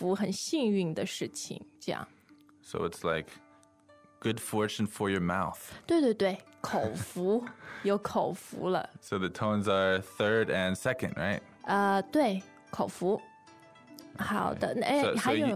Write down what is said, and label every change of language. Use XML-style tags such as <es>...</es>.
<zh>那你买的不够好，我们赶快来看今天的重要的单词。那John，你先来选一个，选一个好一点的。第一句的那个口福。对，福嘛，就是我们中国人说福气，对吧？好像就是说你很有好运气那种感觉，很幸福。那口福就是说在吃上面，你有一个很幸福、很幸运的事情，这样。</zh> <en>So it's like good fortune for your mouth.</en> <zh>对，口福，有口福了。So</zh> <en>the tones are third and second, right?</en> <zh>对，口福。好的，哎，还有。So</zh>